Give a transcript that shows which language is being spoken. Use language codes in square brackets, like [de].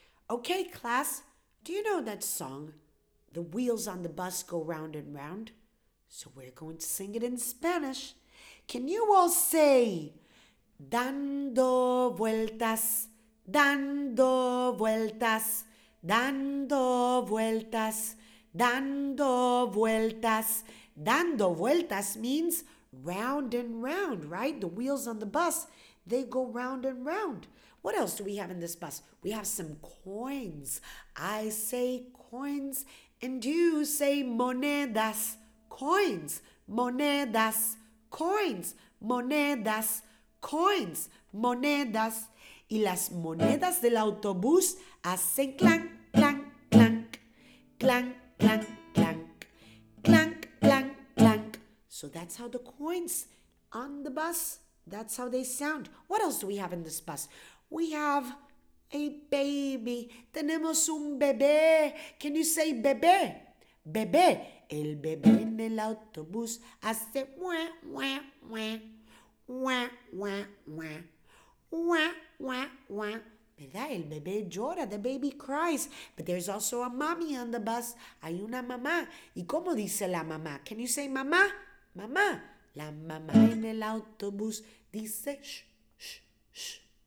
[en] Okay, class, do you know that song? The wheels on the bus go round and round. So we're going to sing it in Spanish. [es] Can you all say, dando vueltas, dando vueltas, dando vueltas, dando vueltas. [en] Dando vueltas means round and round, right? The wheels on the bus, they go round and round. What else do we have in this bus? We have some coins. I say coins, and you say monedas. Coins, monedas, coins, monedas, coins, monedas. [es] Y las monedas del autobús hacen clank, clank, clank. Clank, clank, clank. Clank, clank, clank. [en] So that's how the coins on the bus, that's how they sound. What else do we have in this bus? We have a baby. Tenemos un bebé. Can you say bebé? Bebé. [es] El bebé en el autobús hace wah, wah, wah. Wah, wah, wah. Wah, wah, wah. ¿Verdad? El bebé llora. [en] The baby cries. But there's also a mommy on the bus. [es] Hay una mamá. ¿Y cómo dice la mamá? Can you say mamá? Mamá. La mamá en el autobús dice shh, shh, shh.